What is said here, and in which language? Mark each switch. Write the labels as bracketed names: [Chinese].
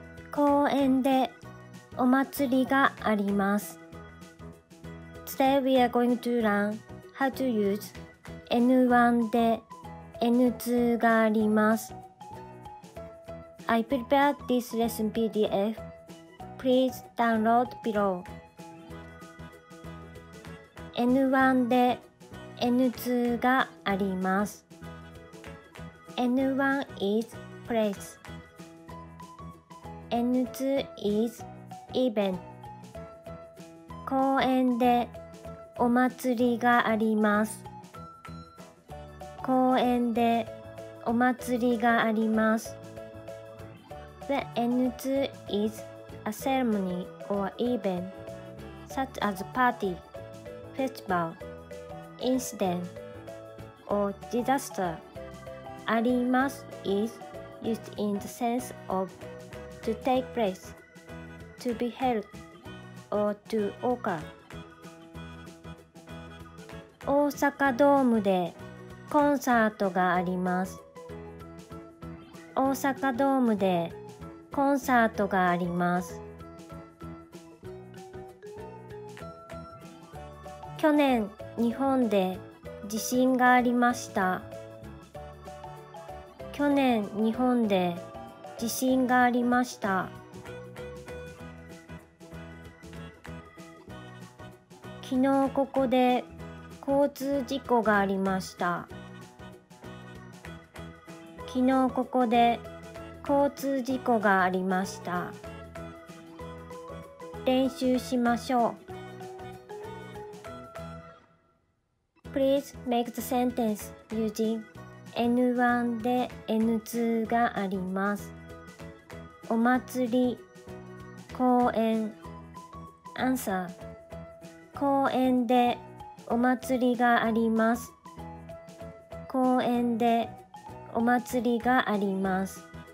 [Japanese] 公園でお祭りがあります。 [English] Today we are going to learn how to use [Japanese] N1 で N2 があります。 [English] I prepared this lesson PDF. Please download below. [Japanese] N1 で N2 があります。 [English] N1 is place. N2 is event. [Japanese] 公園でお祭りがあります。公園でお祭りがあります。 [English] The N2 is a ceremony or event, such as party, festival, incident, or disaster. あります is used in the sense of to take place, to be held, or to occur. [Japanese] 大阪ドームでコンサートがあります。大阪ドームでコンサートがあります。去年日本で地震がありました。去年日本で地震がありました。昨日ここで交通事故がありました。昨日ここで交通事故がありました。練習しましょう。 [English] Please make the sentence using [Japanese] N1 で N2 があります。お祭り、公園。 [English] Answer: [Japanese] 公園でお祭りがあります。公園でお祭りがあります。